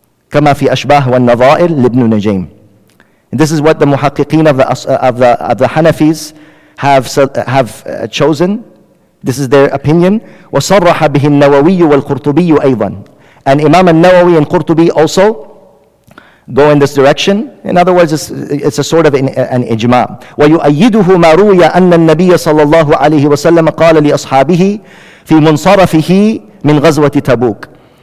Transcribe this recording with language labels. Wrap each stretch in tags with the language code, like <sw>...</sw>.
<ar>كما في أشباه والنظائر لابن نجيم.</ar> <en>And this is what the muhaqqiqin of the Hanafis have chosen. This is their opinion.</en> <ar>وصرح به النووي والقرطبي أيضا.</ar> <en>And Imam al-Nawawi and Qurtubi also go in this direction. In other words, it's a sort of an ijma.</en> <ar>ويؤيده ما روي أن النبي صلى الله عليه وسلم قال لأصحابه في منصرفه من غزوة تبوك.</ar>